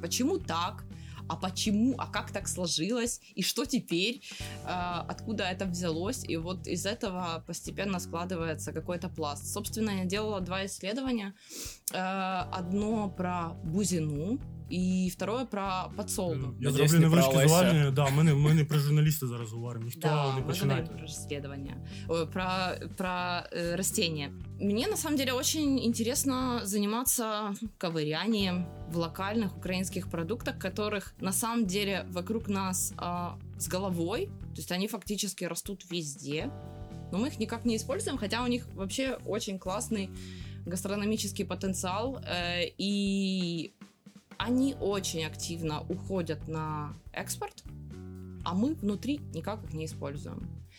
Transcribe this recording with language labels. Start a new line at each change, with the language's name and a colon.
Russian: Почему так? А почему? А как так сложилось? И что теперь? Откуда это взялось? И вот из этого постепенно складывается какой-то пласт. Собственно, я делала два исследования. Одно про бузину и второе про подсолнух.
Ukrainian: Я зроблю невеличке зауваження. Да, ми не про журналіста зараз говоримо. Ніхто да, не починає. Про розслідування.
Russian: Про растения. Мне на самом деле очень интересно заниматься ковырянием в локальных украинских продуктах, которых на самом деле вокруг нас с головой, то есть они фактически растут везде, но мы их никак не используем, хотя у них вообще очень классный гастрономический потенциал, и они очень активно уходят на экспорт, а мы внутри никак их не используем.